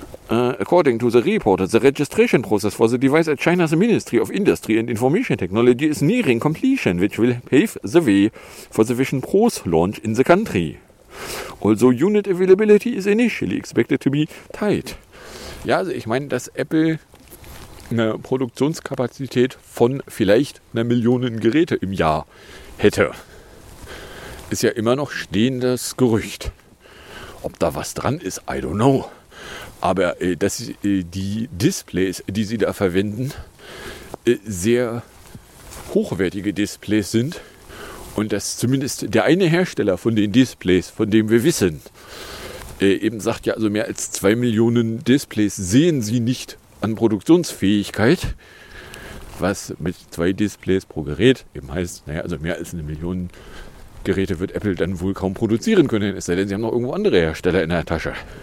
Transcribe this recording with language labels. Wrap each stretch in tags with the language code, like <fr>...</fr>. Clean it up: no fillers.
<en>According to the reporter, the registration process for the device at China's Ministry of Industry and Information Technology is nearing completion, which will pave the way for the Vision Pro's launch in the country. Although unit availability is initially expected to be tight.</en> <de>Ja, also ich meine, dass Apple eine Produktionskapazität von vielleicht 1 Million Geräte im Jahr hätte, ist ja immer noch stehendes Gerücht. Ob da was dran ist,</de> <en>I don't know.</en> <de>Aber dass die Displays, die sie da verwenden, sehr hochwertige Displays sind und dass zumindest der eine Hersteller von den Displays, von dem wir wissen, eben sagt, ja, also mehr als 2 Millionen Displays sehen sie nicht an Produktionsfähigkeit, was mit 2 Displays pro Gerät eben heißt, naja, also mehr als 1 Million Geräte wird Apple dann wohl kaum produzieren können, es sei denn, sie haben noch irgendwo andere Hersteller in der Tasche.</de>